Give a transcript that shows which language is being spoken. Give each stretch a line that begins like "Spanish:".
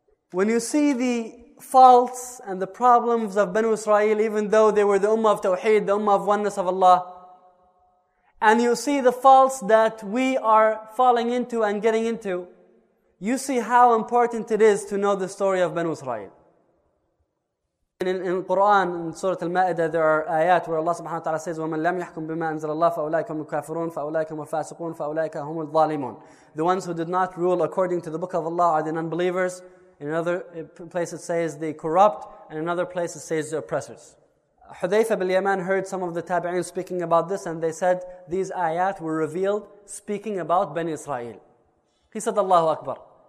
English: When you see the faults and the problems of Banu Israel, even though they were the Ummah of Tawheed, the Ummah of Oneness of Allah, and you see the faults that we are falling into and getting into, you see how important it is to know the story of Banu Israel.
Arabic: In Quran, in Surah Al-Ma'idah, there are ayat where Allah subhanahu wa ta'ala says, وَمَنْ لَمْ يَحْكُمْ بِمَا أَنزَلَ اللَّهِ فَأُولَٰئِكَ هُمُ الْكَافِرُونَ فَأُولَٰئِكَ هُمُ الْفَاسِقُونَ فَأُولَٰئِكَ هُمُ الظَّالِمُونَ.
English: The ones who did not rule according to the book of Allah are the non-believers. In another place it says the corrupt, and in another place it says the oppressors. Hudhayfa bin Yaman heard some of the tabi'in speaking about this, and they said these ayat were revealed speaking about Bani Israel. He said, Allahu Akbar.